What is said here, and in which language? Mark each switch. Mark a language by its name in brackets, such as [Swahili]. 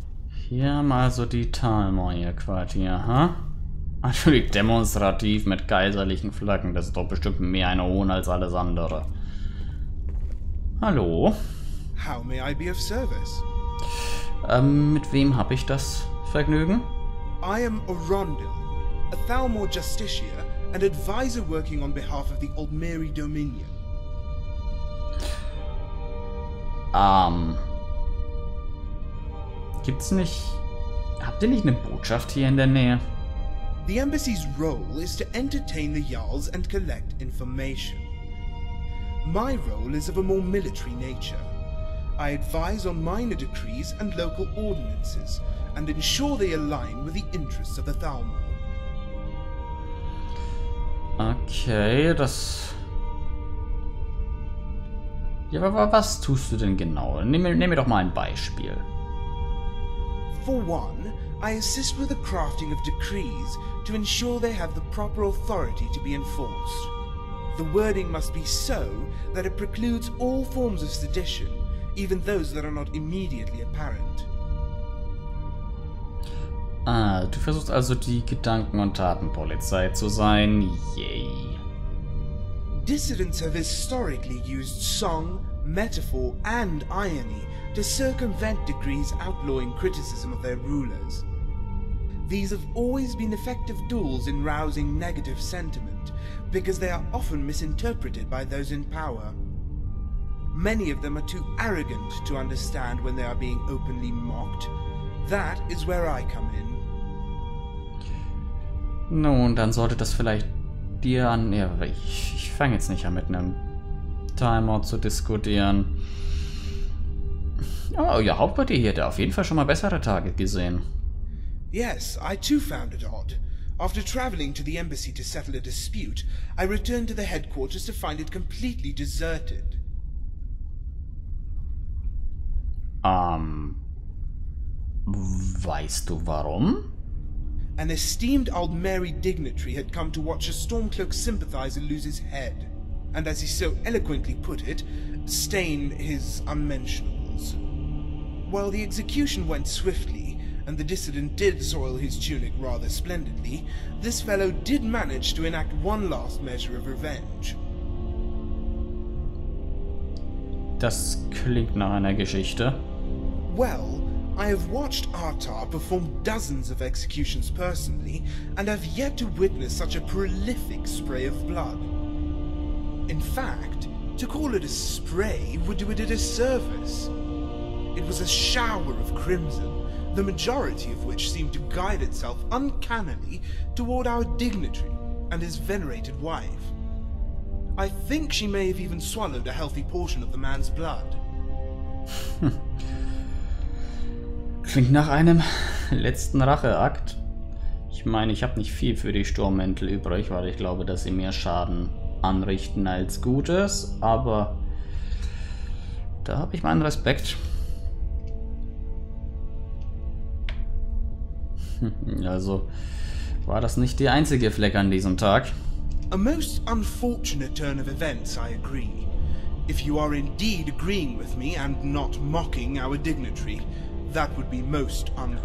[German] Hier mal so die Talmor ihr Quartier, ha? Natürlich demonstrativ mit kaiserlichen Flaggen. Das ist doch bestimmt mehr eine Hohn als alles andere. Hallo? [English] How may I be of service? [German] Mit wem habe ich das Vergnügen? [English] I am Orondil, a Thalmor Justicia, and advisor working on behalf of the Ulmeri Dominion. [German] Gibt's nicht... Habt ihr nicht eine Botschaft hier in der Nähe? [English] The Embassy's role is to entertain the Jarls and collect information. My role is of a more military nature. I advise on minor decrees and local ordinances, and ensure they align with the interests of the Thalmor. [German] Okay, das... Ja, aber was tust du denn genau? Nimm mir doch mal ein Beispiel. For one, I assist with the crafting of decrees to ensure they have the proper authority to be enforced. The wording must be so that it precludes all forms of sedition, even those that are not immediately apparent. Ah, du versuchst also die Gedanken- und Tatenpolizei zu sein. Yay. [English] Dissidents have historically used song, metaphor and irony to circumvent decrees outlawing criticism of their rulers. These have always been effective tools in rousing negative sentiment, because they are often misinterpreted by those in power. Many of them are too arrogant to understand when they are being openly mocked. That is where I come in. [German] Nun, dann sollte das vielleicht dir an... Ja, ich fange jetzt nicht an mit einem Timer zu diskutieren. Oh, ihr Hauptquartier hier, der auf jeden Fall schon mal bessere Tage gesehen. [English] Yes, I too found it odd. After traveling to the embassy to settle a dispute, I returned to the headquarters to find it completely deserted. [German] Weißt du warum? [English] An esteemed Ulmeri dignitary had come to watch a Stormcloak sympathizer lose his head. And as he so eloquently put it, stain his unmentionables. While the execution went swiftly, and the dissident did soil his tunic rather splendidly, this fellow did manage to enact one last measure of revenge. [German] Das klingt nach einer Geschichte. [English] Well, I have watched Artar perform dozens of executions personally, and have yet to witness such a prolific spray of blood. In fact, to call it a spray would do it a disservice. It was a shower of crimson, the majority of which seemed to guide itself uncannily toward our dignitary and his venerated wife. I think she may have even swallowed a healthy portion of the man's blood. [German] Klingt nach einem letzten Racheakt. Ich meine, ich habe nicht viel für die Sturmmäntel übrig, weil ich glaube, dass sie mehr Schaden anrichten als Gutes, aber da habe ich meinen Respekt. Also, war das nicht die einzige Fleck an diesem Tag? [English] A most unfortunate turn of events, I agree. If you are indeed agreeing with me and not mocking our dignitary, that would be most uncouth.